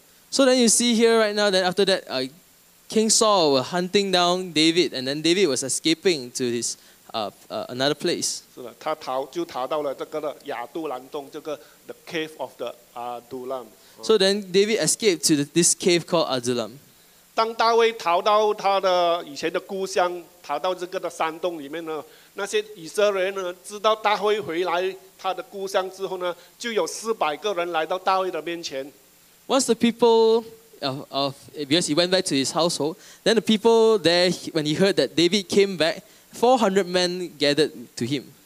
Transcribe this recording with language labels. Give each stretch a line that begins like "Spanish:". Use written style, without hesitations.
English: So then you see here right now that after that King Saul was hunting down David, and then David was escaping to his another place.
Chinese: 是的，他逃就逃到了这个的亚杜兰洞这个的
English: cave of the Adullam. So then David escaped to this cave called Adullam.
Chinese: 当大卫逃到他的以前的故乡，逃到这个的山洞里面呢，那些以色列人呢，知道大卫回来他的故乡之后呢，就有400个人来到大卫的面前。
English: Once the people because he went back to his household, then the people there, when he heard that David came back, 400 men gathered to him.